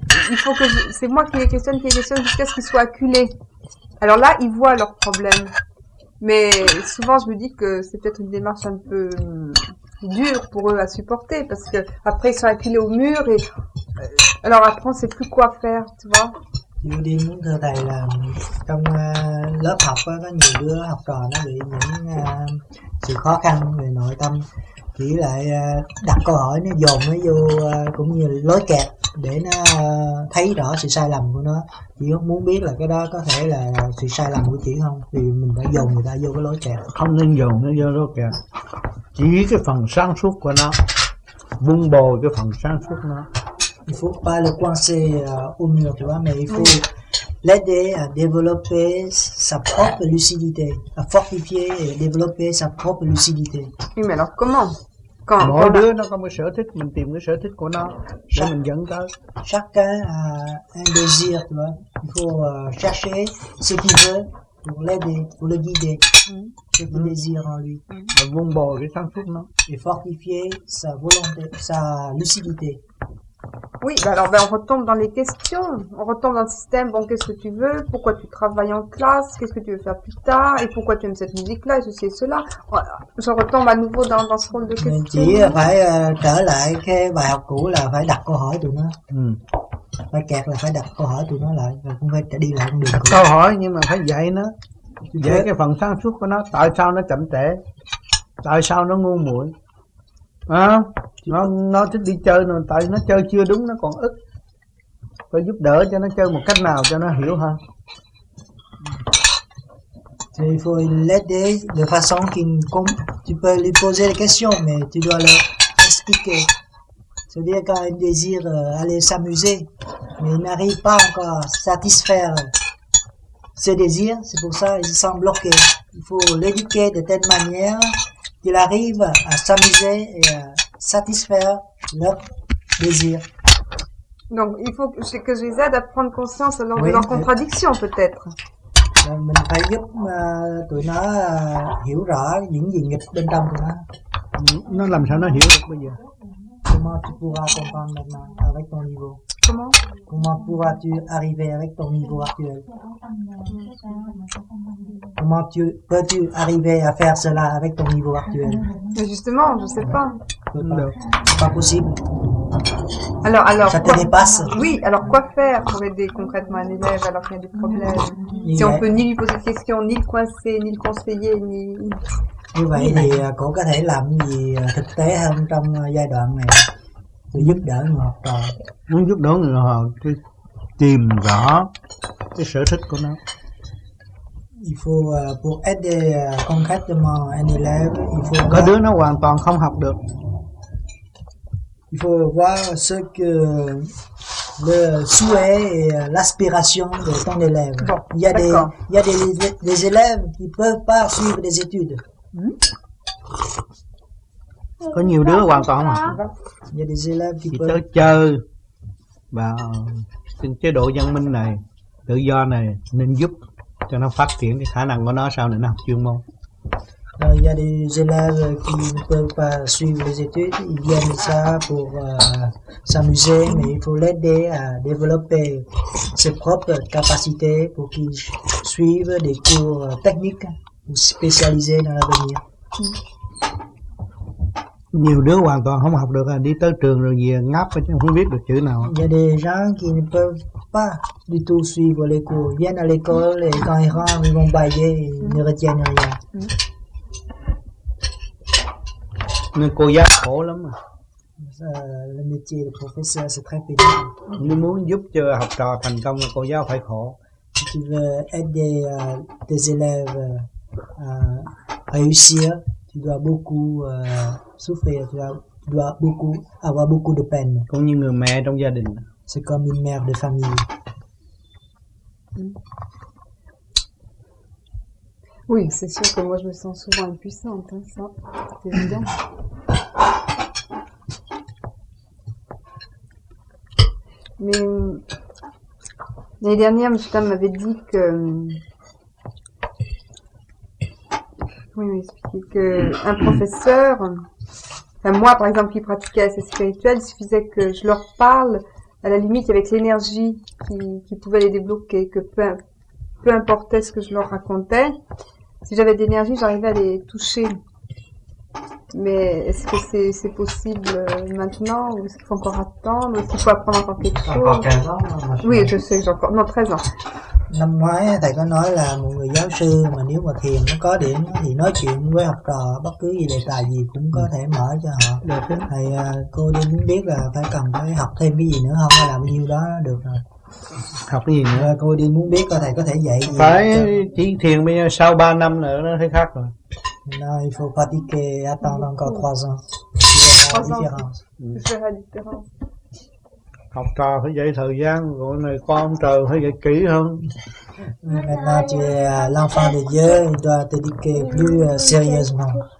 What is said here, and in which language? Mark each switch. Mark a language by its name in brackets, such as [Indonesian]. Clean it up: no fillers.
[French] Il faut que c'est moi qui les questionne jusqu'à ce qu'ils soient acculés. Alors là, ils voient leur problème. Mais souvent, je me dis que c'est peut-être une démarche un peu dure pour eux à supporter, parce que après ils sont acculés au mur et alors après on ne sait plus quoi faire, tu vois. [Vietnamese] Nhiều đi muốn thưa thầy là trong lớp học đó, có nhiều đứa học trò nó bị những sự khó khăn về nội tâm, chỉ lại đặt câu hỏi nó dồn nó vô cũng như lối kẹt để nó thấy rõ sự sai lầm của nó. Chỉ muốn biết là cái đó có thể là sự sai lầm của chị không, thì mình phải dồn người ta vô cái lối kẹt. Không nên dồn nó vô lối kẹt, chỉ cái phần sáng suốt của nó, vun bồi cái phần sáng suốt nó. [French] il faut pas le coincer au mur, tu vois, mais il faut l'aider à développer sa propre lucidité, à fortifier et développer sa propre lucidité. Oui, mais alors comment? Quand [Vietnamese] mỗi đứa nó có một sở thích, mình tìm cái sở thích của nó để mình dẫn tới. [French] Chacun a un désir, tu vois. Il faut chercher ce qu'il veut pour l'aider, pour le guider. Ce qu'il désire en lui. Mais [Vietnamese] vun bồi cái sáng suốt nó. [French] Et fortifier sa volonté, sa lucidité. Oui, bah alors ben on retombe dans les questions. On retombe dans le système. Bon, qu'est-ce que tu veux? Pourquoi tu travailles en classe? Qu'est-ce que tu veux faire plus tard? Et pourquoi tu aimes cette musique-là? Et ceci et cela. Voilà. Je retombe à nouveau dans, dans ce rôle de question. [Vietnamese] Chỉ phải trở lại cái bài học cũ là phải đặt câu hỏi tụi nó. Phải kẹt là phải đặt câu hỏi tụi nó lại. Không phải đi lại con đường cũ. Câu hỏi nhưng mà phải dạy nó. Dạy cái phần sáng suốt của nó. Tại sao nó chậm trễ? Tại sao nó ngu muội? À, nó thích đi chơi rồi, tại nó chơi chưa đúng, nó còn ức. Phải giúp đỡ cho nó chơi một cách nào cho nó hiểu hơn. Thì phải [French] l'aider de façon qu'il comprenne. Tu peux lui poser des questions, mais tu dois le expliquer. C'est-à-dire quand il désire aller s'amuser, mais il n'arrive pas encore à satisfaire ses désirs, c'est pour ça qu'il se sent bloqué. Il faut l'éduquer de telle manière qu'il arrive à s'amuser et à satisfaire leur désir. Donc, il faut que je les aide à prendre conscience de leur contradiction, peut-être. [Vietnamese] Mình phải giúp tụi nó hiểu rõ những gì nghịch bên trong tụi nó. Nó làm sao nó hiểu được bây giờ? [French] Comment tu pourras comprendre maintenant avec ton niveau? Comment? Comment pourras-tu arriver avec ton niveau actuel? Comment tu peux-tu arriver à faire cela avec ton niveau actuel? Mais justement, je ne sais pas. C'est pas possible. Alors, ça te dépasse. Oui, alors quoi faire pour aider concrètement un élève alors qu'il y a des problèmes? Si on peut ni lui poser de questions, ni le coincer, ni le conseiller, ni... [Vietnamese] Như vậy thì cô có thể làm gì thực tế hơn trong giai đoạn này để giúp đỡ người học trò. Muốn giúp đỡ người học trò tìm rõ cái sở thích của nó. [French] Il faut pour aider concrètement un élève, il faut [Vietnamese] có đứa nó hoàn toàn không học được. [French] Il faut voir ce que le souhait et l'aspiration de ton élève. Bon, il y a des élèves qui peuvent pas suivre des études. [Vietnamese] Có nhiều đứa hoàn toàn mà chỉ tới chơi và xin chế độ văn minh này, tự do này nên giúp cho nó phát triển cái khả năng của nó sau này nó học chuyên môn. [French] Y a des élèves qui ne peuvent pas suivre les études, ils viennent ça pour s'amuser, mais il faut l'aider à développer ses propres capacités pour qu'ils suivent des cours techniques ou spécialisé dans l'avenir. [Vietnamese] Nhiều đứa hoàn toàn không học được, đi tới trường rồi về ngáp chứ không biết được chữ nào. [French] Il y a des gens qui ne peuvent pas du tout suivre les cours, viennent à l'école et quand ils rentrent, ils vont bailler et ils ne retiennent rien. [Vietnamese] Nên cô giáo khổ lắm à. [French] Le métier de professeur c'est très pénible. [Vietnamese] Nếu muốn giúp cho học trò thành công, cô giáo phải khổ. [French] Si tu veux aider tes élèves à réussir, tu dois beaucoup souffrir, tu dois beaucoup avoir beaucoup de peine. [Vietnamese] Cũng như người mẹ trong gia đình. [French] C'est comme une mère de famille. Oui, c'est sûr que moi je me sens souvent impuissante, hein, ça, c'est évident. Mais l'année dernière, M. Tam m'avait dit que. Oui, expliquer que un professeur, enfin moi par exemple qui pratiquais assez spirituel, il suffisait que je leur parle à la limite avec l'énergie qui pouvait les débloquer, que peu importait ce que je leur racontais, si j'avais d'énergie, j'arrivais à les toucher. Mais est-ce que c'est possible maintenant ou est-ce qu'il faut encore attendre ou est-ce qu'il faut apprendre encore quelque chose? Encore 15 ans. Oui, je sais que j'ai encore non 13 ans. [Vietnamese] Năm ngoái thầy có nói là một người giáo sư mà nếu mà thiền nó có điểm thì nói chuyện với học trò bất cứ gì đề tài gì cũng có thể mở cho họ được. Thầy cô đang muốn biết là phải cần phải học thêm cái gì nữa không hay là bao nhiêu đó được rồi? Học cái gì nữa? Cô đang muốn biết coi thầy có thể dạy gì. Phải chỉ thiền bây giờ sau 3 năm nữa nó thấy khác rồi. [French] Là il faut pratiquer attendre encore 3 ans. 3 ans. Différence. [Vietnamese] học trò phải dạy thời gian, rồi này con ông trời phải dạy kỹ hơn. [French] Maintenant tu es l'enfant de Dieu, il doit te dédiquer plus sérieusement.